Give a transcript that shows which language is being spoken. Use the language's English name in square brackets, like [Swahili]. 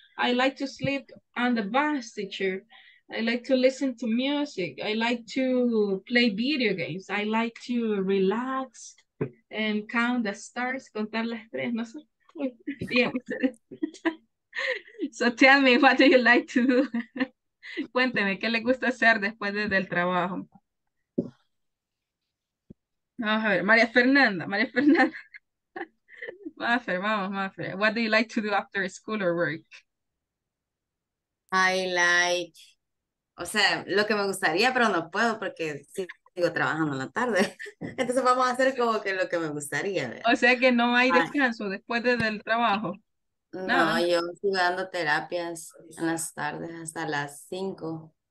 [English] I like to sleep on the bus, teacher. I like to listen to music. I like to play video games. I like to relax and count the stars. [Spanish] Contar las tres, no sé. Bien. [English] So tell me, what do you like to do? [Spanish] Cuénteme, ¿qué le gusta hacer después del trabajo? Vamos a ver, María Fernanda. Mafer, vamos, Mafer. [English] What do you like to do after school or work? I like, [Spanish] o sea, lo que me gustaría, pero no puedo porque sigo trabajando en la tarde. Entonces vamos a hacer como que lo que me gustaría. O sea que no hay descanso después del trabajo. No, yo sigo dando terapias en las tardes hasta las 5.